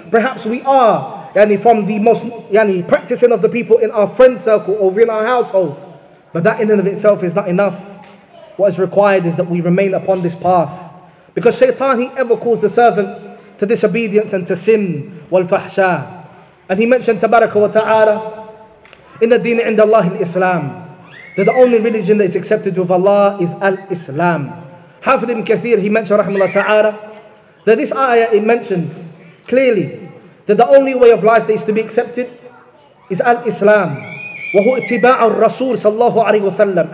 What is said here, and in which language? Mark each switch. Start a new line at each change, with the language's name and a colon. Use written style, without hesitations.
English: Perhaps we are from the most practicing of the people in our friend circle or in our household. But that in and of itself is not enough. What is required is that we remain upon this path. Because Shaytan, he ever calls the servant to disobedience and to sin.
Arabic: والفحشاء.
English: And he mentioned,
Arabic: تبارك وتعالى, إن الدين عند الله الإسلام.
English: That the only religion that is accepted with Allah is Al-Islam. Hafidh ibn Kathir, he mentioned, rahmatullah ta'ala, that this ayah, it mentions clearly that the only way of life that is to be accepted is al-Islam.
Arabic: وَهُ اتِّبَاعُ الرَّسُولِ صَلَّى اللَّهُ عَلَيْهِ وَسَلَّمُ.